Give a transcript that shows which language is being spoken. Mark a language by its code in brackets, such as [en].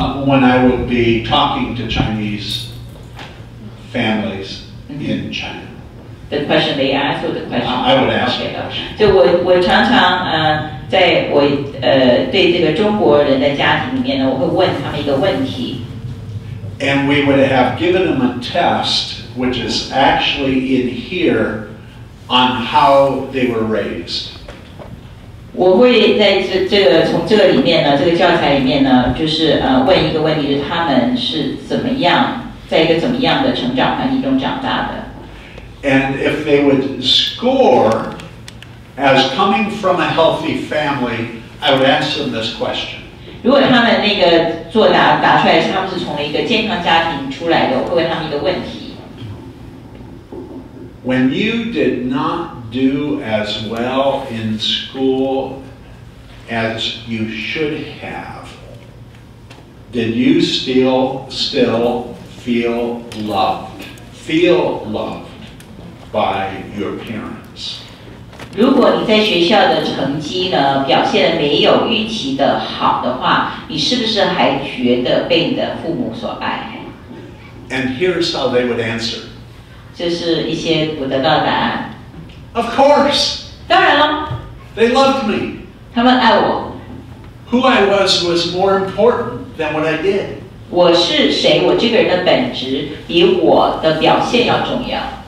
[en] When I would be talking to Chinese families in China. The question they ask or the question? I would ask it. [zh] 就我常常在我对这个中国人的家庭里面呢，我会问他们一个问题。 [en] And we would have given them a test, which is actually in here, on how they were raised. [zh] 我会在从这个里面呢，这个教材里面呢，就是问一个问题，就是他们是怎么样，在一个怎么样的成长环境中长大的。 [en] And if they would score. As coming from a healthy family, I would ask them this question. [zh] 如果他们那个作答答出来是他们是从一个健康家庭出来的，我会问他们一个问题。 [en] when you did not do as well in school as you should have, did you still feel loved? Feel loved by your parents? [zh] 如果你在学校的成绩呢表现得没有预期的好的话，你是不是还觉得被你的父母所爱？ [en] And here's how they would answer. [zh] 就是一些不得到答案。 [en] Of course. [zh] 当然了。 [en] They loved me. [zh] 他们爱我。 [en] Who I was more important than what I did. [zh] 我是谁，我这个人的本质比我的表现要重要。